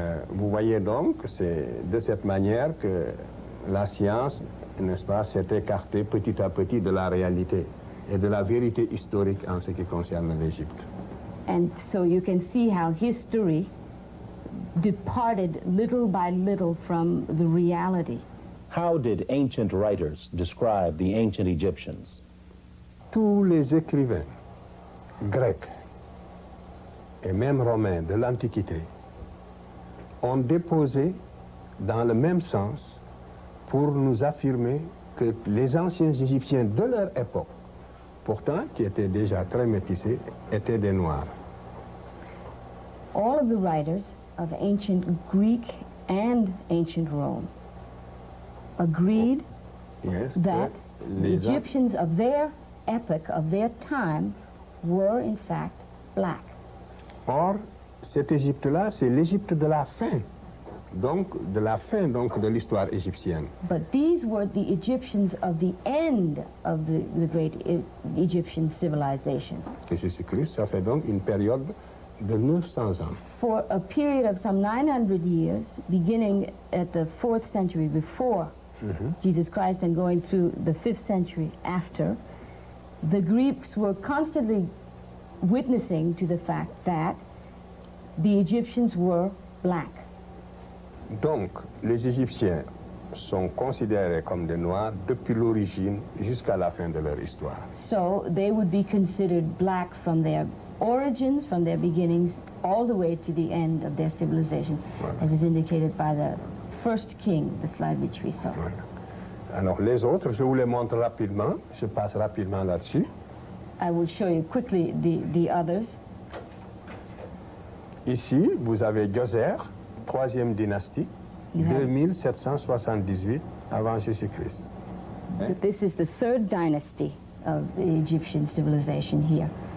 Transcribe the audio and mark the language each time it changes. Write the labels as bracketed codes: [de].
[fr] Vous voyez donc, c'est de cette manière que la science, n'est-ce pas, s'est écartée petit à petit de la réalité et de la vérité historique en ce qui concerne l'Égypte. [en] And so you can see how history departed little by little from the reality. How did ancient writers describe the ancient Egyptians? [fr] Tous les écrivains grecs et même romains de l'Antiquité ont déposé dans le même sens pour nous affirmer que les anciens Égyptiens de leur époque, pourtant qui étaient déjà très métissés, étaient des Noirs. [en] All of the writers of ancient Greek and ancient Rome agreed that the Egyptians of their epoch, of their time, were in fact black. [fr] Or, cette Égypte-là, c'est l'Égypte de la fin, donc de la fin, donc de l'histoire égyptienne. [en] But these were the Egyptians of the end of the great Egyptian civilization. [fr] Jésus-Christ, ça fait donc une période de 900 ans. [en] For a period of some 900 years, beginning at the 4th century before Jesus Christ and going through the 5th century after, the Greeks were constantly witnessing to the fact that the Egyptians were black. [fr] Donc, les Égyptiens sont considérés comme des Noirs depuis l'origine jusqu'à la fin de leur histoire. [en] So, they would be considered black from their origins, from their beginnings, all the way to the end of their civilization, as is indicated by the first king, the slide which we saw. [fr] Voilà. Alors, les autres, je vous les montre rapidement, je passe rapidement là-dessus. [en] I will show you quickly the others. [fr] Ici, vous avez Djoser, troisième dynastie, 2778 avant Jésus-Christ. [en] This is the third dynasty of the Egyptian civilization here.